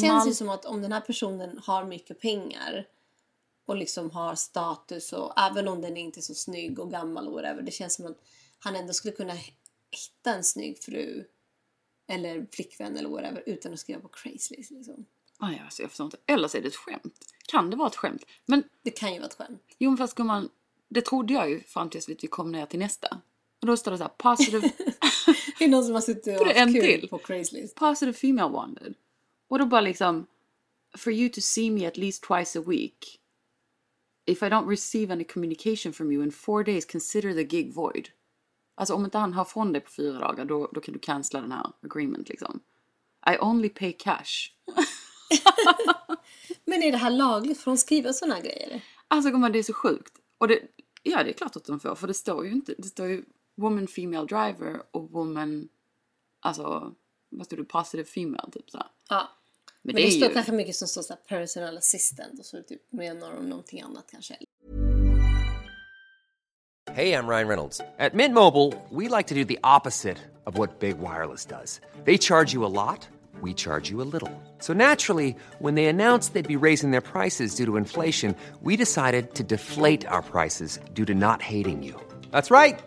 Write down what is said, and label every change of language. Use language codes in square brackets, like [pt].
[sv] Det känns ju som att om den här personen har mycket pengar och liksom har status, och även om den inte är så snygg och gammal och whatever, det känns som att han ändå skulle kunna hitta en snygg fru eller flickvän eller whatever utan att skriva på Craigslist liksom. Aj, alltså, jag förstår inte. Eller så är det ett skämt. Kan det vara ett skämt? Men det kan ju vara ett skämt. Jo, men fast man, det trodde jag ju fram tills vi kom ner till nästa. Och då står det så här, positive... Det är någon som har suttit och haft kul på Craigslist. [en] Positive female wanted. [sv] Och då bara liksom, [en] for you to see me at least twice a week, if I don't receive any communication from you in 4 days, consider the gig void. [sv] Alltså om inte han har från dig på 4 dagar, då kan du cancella den här agreement liksom. [en] I only pay cash. [sv] Men är det här lagligt för att skriva sådana grejer? Alltså gumman, det är så sjukt. Och det, ja, det är klart att de får, för det står ju inte, det står ju [en] woman female driver [sv] och woman, alltså vad står det, [en] positive female [sv] typ såhär. Ja. Men det står ju kanske mycket som står såhär personal assistant och så typ menar om någonting annat kanske. [en] Hey, I'm Ryan Reynolds. At Mint Mobile, we like to do the opposite of what Big Wireless does. They charge you a lot, we charge you a little. So naturally, when they announced they'd be raising their prices due to inflation, we decided to deflate our prices due to not hating you. That's right.